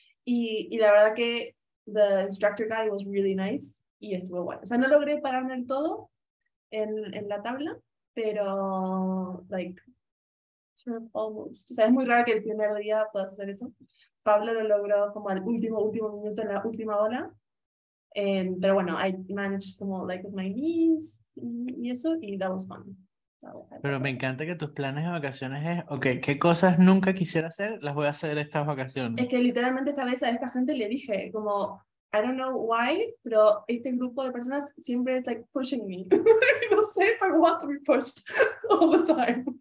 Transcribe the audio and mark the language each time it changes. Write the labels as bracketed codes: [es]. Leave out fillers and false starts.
[es] Y la verdad que [en] the instructor guy was really nice [es] y estuvo bueno. O sea, no logré pararme el todo en la tabla, pero like, [en] sort of almost. [es] O sea, es muy raro que el primer día pueda hacer eso. Pablo lo logró como al último minuto en la última ola. Pero bueno, [en] I managed como like with my knees [es] y eso, [en] y that was fun. [es] Pero me encanta que tus planes de vacaciones es, ok, ¿qué cosas nunca quisiera hacer? Las voy a hacer estas Es vacaciones. que literalmente esta vez a esta gente le dije como, [en] I don't know why, [es] pero este grupo de personas siempre está [en] like pushing me. [es] No sé [en] if I want to be pushed all the time.